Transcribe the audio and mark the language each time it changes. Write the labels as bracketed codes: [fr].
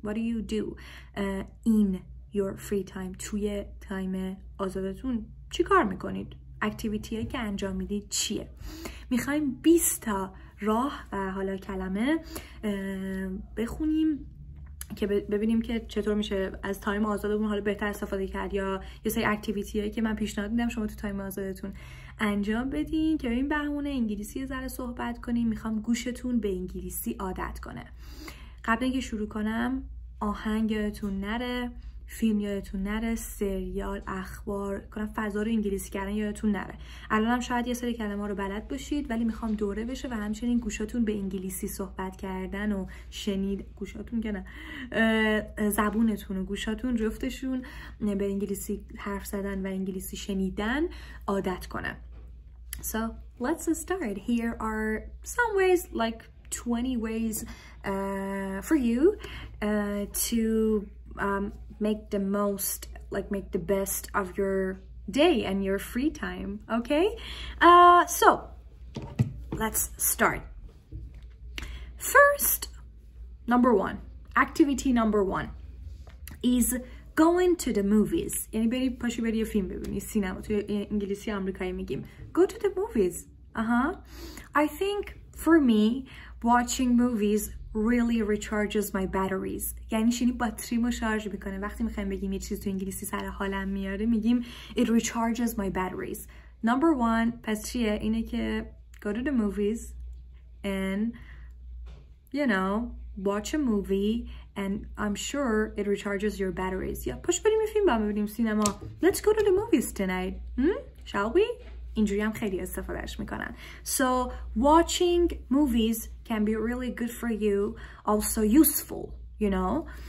[en] What do you do in your free time? [fa] توی تایم آزادتون چی کار میکنید? اکتیویتی هایی که انجام میدید چیه? میخواییم 20 تا راه و حالا کلمه بخونیم که ببینیم که چطور میشه از تایم آزادتون حالا بهتر استفاده کرد یا یه سری اکتیویتی هایی که من پیشنهاد میدم شما تو تایم آزادتون انجام بدین که این بهونه انگلیسی یه ذره صحبت کنیم. میخوام گوشتون به انگلیسی عادت کنه. قبل اینکه شروع کنم آهنگ یادتون نره، فیلم یادتون نره، سریال، اخبار، کنم فضا رو انگلیسی کردن یادتون نره. الان هم شاید یه سری کلمه رو بلد باشید ولی میخوام دوره بشه و همچنین گوشتون به انگلیسی صحبت کردن و شنید گوشتون که نه زبونتون و گوشتون جفتشون به انگلیسی حرف زدن و انگلیسی شنیدن عادت کنه. [en] So let's start. Here are some ways like 20 ways for you to make the most, like make the best of your day and your free time, okay? So, let's start. First, number one, activity number one is going to the movies. [fa] یعنی بری پاشو بری فیلم ببینی سینما تو انگلیسی آمریکایی میگیم. [en] Go to the movies. I think for me, watching movies really recharges my batteries. [fa] یعنی شینی باتریمو شارژ میکنه. وقتی میخوایم بگیم یه چیز تو انگلیسی سر حالم میاره میگیم [en] it recharges my batteries. Number one, [fa] پس چیه؟ اینه که [en] go to the movies and you know, watch a movie and I'm sure it recharges your batteries. [fa] Yeah, پشت بریم فیلم با ببینیم سینما. [en] Let's go to the movies tonight. Shall we? [fa] اینجوری هم خیلی استفادهش میکنن. [en] So, watching movies can be really good for you, also useful, you know.